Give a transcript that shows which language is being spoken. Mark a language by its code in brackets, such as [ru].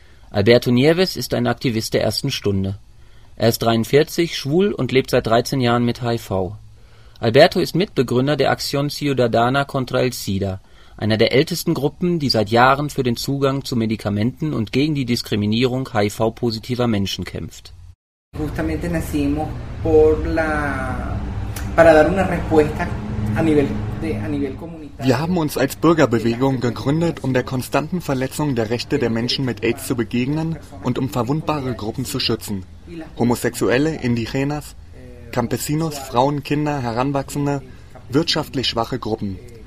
[de] Alberto Nieves ist ein Aktivist der ersten Stunde. Er ist 43, schwul und lebt seit 13 Jahren mit HIV. Alberto ist Mitbegründer der Acción Ciudadana contra el SIDA, einer der ältesten Gruppen, die seit Jahren für den Zugang zu Medikamenten und gegen die Diskriminierung HIV-positiver Menschen kämpft. [es] Justamente nacimos para dar una respuesta a nivel. [de] Wir haben uns als Bürgerbewegung gegründet, um der konstanten Verletzung der Rechte der Menschen mit AIDS zu begegnen und um verwundbare Gruppen zu schützen. Homosexuelle, Indigenas, Campesinos, Frauen, Kinder, Heranwachsende, wirtschaftlich schwache Gruppen.